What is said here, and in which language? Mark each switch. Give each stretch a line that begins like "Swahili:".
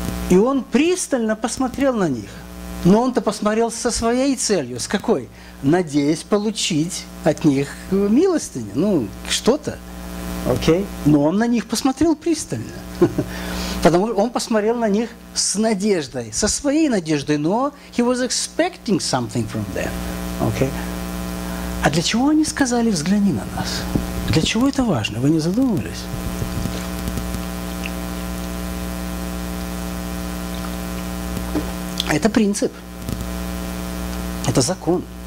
Russian: И он пристально посмотрел на них. Но он-то посмотрел со своей целью. С какой? Надеясь получить от них милостыню. Ну, что-то. Окей. Но он на них посмотрел пристально. Потому что он посмотрел на них с надеждой. Со своей надеждой. Но
English: he was expecting something from them.
Russian: Окей. А для чего они сказали «взгляни на нас»? Для чего это важно? Вы не задумывались? Это принцип. Это закон.